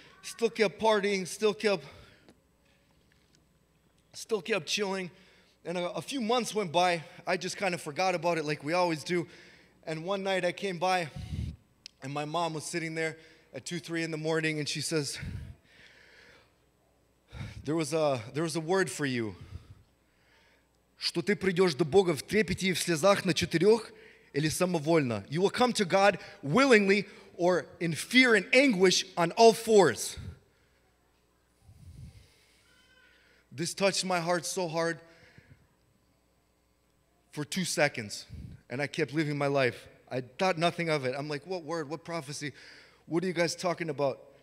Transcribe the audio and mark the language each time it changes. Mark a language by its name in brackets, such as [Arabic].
[English] Still kept partying, still kept chilling. And a few months went by. I just kind of forgot about it like we always do. And one night I came by, and my mom was sitting there at 2-3 in the morning, and she says, there was a word for you. [Russian] Что ты придешь до Бога в трепете и в слезах на четырех или самовольно? [English] You will come to God willingly or in fear and anguish on all fours. This touched my heart so hard for 2 seconds, and I kept living my life. I thought nothing of it. I'm like, what word, what prophecy? What are you guys talking about?